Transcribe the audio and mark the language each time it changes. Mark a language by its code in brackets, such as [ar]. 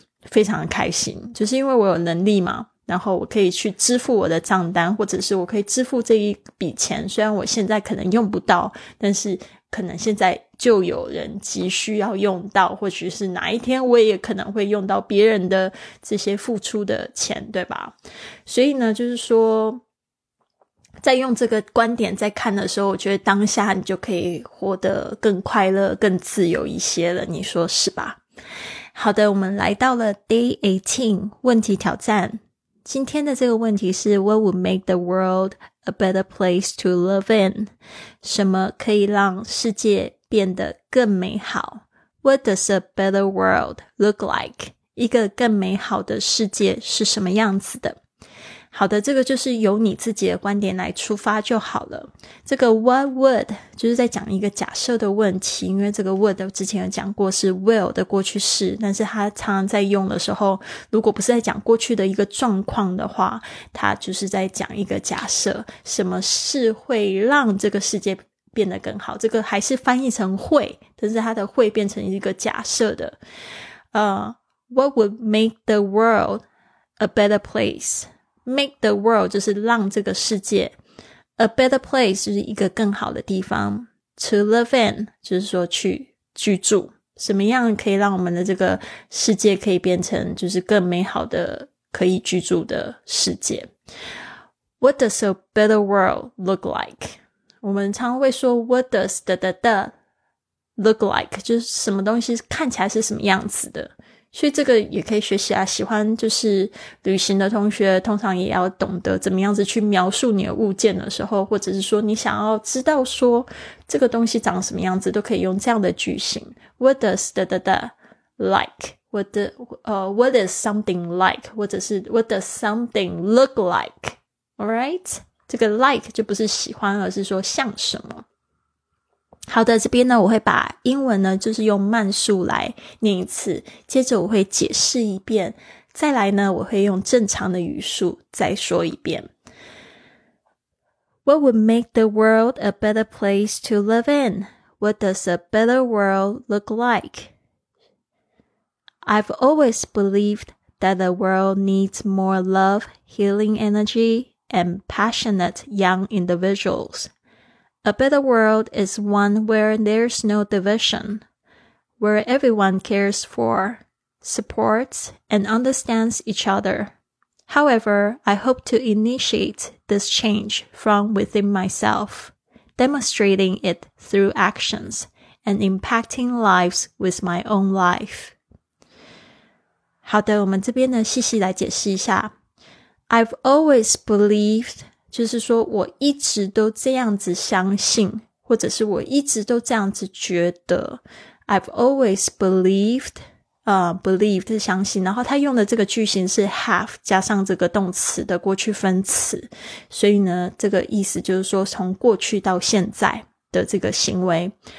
[zh] 非常的开心，就是因为我有能力嘛，然后我可以去支付我的账单，或者是我可以支付这一笔钱，虽然我现在可能用不到，但是可能现在就有人急需要用到，或许是哪一天我也可能会用到别人的这些付出的钱对吧。所以呢就是说在用这个观点在看的时候，我觉得当下你就可以活得更快乐更自由一些了，你说是吧。好的，我们来到了 Day 18 问题挑战。今天的这个问题是 [en] What would make the world a better place to live in? [zh] 什么可以让世界变得更美好？ [en] What does a better world look like? [zh] 一个更美好的世界是什么样子的？好的，这个就是由你自己的观点来出发就好了。这个 what would 就是在讲一个假设的问题，因为这个 would 之前有讲过是 will 的过去式，但是它常常在用的时候，如果不是在讲过去的一个状况的话，它就是在讲一个假设，什么是会让这个世界变得更好。这个还是翻译成会，但是它的会变成一个假设的。 [en] What would make the world a better place? Make the world [zh] 就是让这个世界 [en] a better place [zh] 就是一个更好的地方 [en] to live in [zh] 就是说去居住，什么样可以让我们的这个世界可以变成就是更美好的可以居住的世界。 [en] What does a better world look like? [zh] 我们常会说 [en] What does da da da look like? [zh] 就是什么东西看起来是什么样子的，所以这个也可以学习啊，喜欢就是旅行的同学通常也要懂得怎么样子去描述你的物件的时候，或者是说你想要知道说这个东西长什么样子，都可以用这样的句型。 [en] What does da da da like? What is something like? [zh] 或者是 [en] What does something look like? Alright? [zh] 这个 like 就不是喜欢，而是说像什么。好的，这边呢我会把英文呢就是用慢速来念一次，接着我会解释一遍，再来呢我会用正常的语速再说一遍。 [en] What would make the world a better place to live in? What does a better world look like? I've always believed that the world needs more love, healing energy, and passionate young individuals. A better world is one where there's no division, where everyone cares for, supports, and understands each other. However, I hope to initiate this change from within myself, demonstrating it through actions and impacting lives with my own life. [zh] 好的，我们这边呢，细细来解释一下。 [en] I've always believed... [zh] 就是说我一直都这样子相信，或者是我一直都这样子觉得。 [en] I've always believed believed [zh] 是相信，然后他用的这个句型是 have 加上这个动词的过去分词，所以呢这个意思就是说从过去到现在的这个行为。